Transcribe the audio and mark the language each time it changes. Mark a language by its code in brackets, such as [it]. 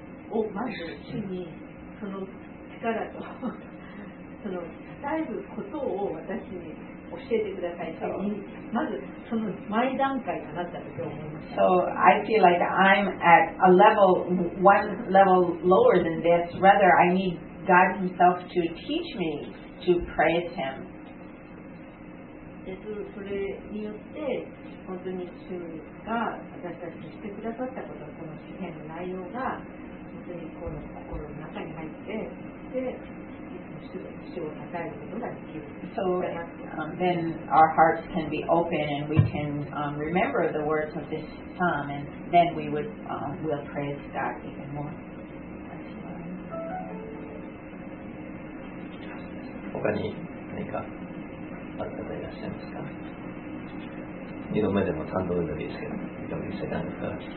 [ja] をまず主にその力とその讃たえることを私に教えてくださいと、まずその前段階かなったと思います。 [en] So I feel like I'm at a level, one level lower than this. Rather, I need God Himself to teach me to praise Him. [ja] それによって本当に主が私たちにしてくださったこと、この詩篇の内容が本当にこの心の中に入って、で [en] So then our hearts can be open and we can remember the words of this psalm and then we would will praise God even more. [ja] 他に何かあった方いらっしゃいますか？二度目でも三度目でもいいですけど、二度目でも何か。